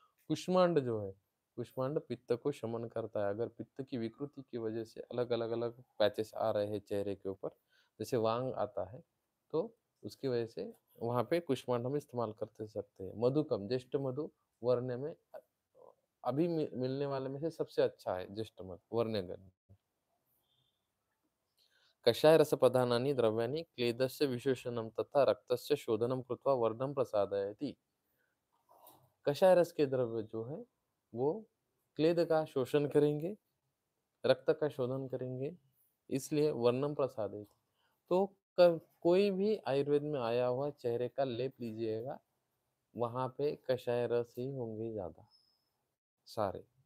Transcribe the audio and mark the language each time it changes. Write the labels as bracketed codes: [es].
[hi] कुष्मांड जो है, कुष्मांड पित्त को शमन करता है, अगर पित्त की विकृति की वजह से अलग अलग अलग पैचेस आ रहे हैं चेहरे के ऊपर, जैसे वांग आता है, तो उसकी वजह से वहां पे कुष्मांड हम इस्तेमाल कर सकते हैं। मधुकम ज्येष्ठ मधु वर्ण्य में अभी मिलने वाले में से सबसे अच्छा है ज्येष्ठ मधु वर्ण्य गण। [sa] कषाय रस प्रधानानि द्रव्याणि क्लेदस्य विशेषणं तथा रक्तस्य शोधनं कृत्वा वर्णं प्रसादयति। [hi] कषाय रस के द्रव्य जो है वो क्लेद का शोषण करेंगे, रक्त का शोधन करेंगे, इसलिए [sa] वर्णं प्रसादयति। [hi] तो कोई भी आयुर्वेद में आया हुआ चेहरे का लेप लीजिएगा, वहां पे कषाय रस ही होंगे ज्यादा सारे।